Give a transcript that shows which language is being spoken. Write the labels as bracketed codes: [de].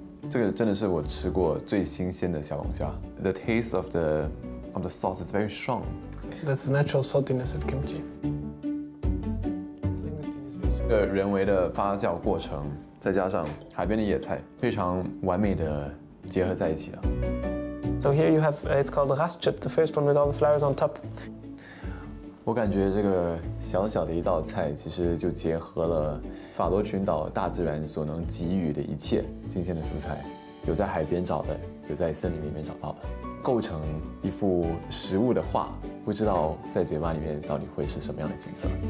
[zh] 这个真的是我吃过最新鲜的小龙虾。 [en] The taste of the sauce is very strong. That's the natural saltiness of kimchi. [zh] 这个人为的发酵过程，再加上海边的野菜，非常完美的结合在一起了。 [en] So here you have, it's called rasschip, the first one with all the flowers on top. [zh] 我感觉这个小小的一道菜，其实就结合了法罗群岛大自然所能给予的一切新鲜的蔬菜，有在海边找的，有在森林里面找到的，构成一幅食物的画，不知道在嘴巴里面到底会是什么样的景色。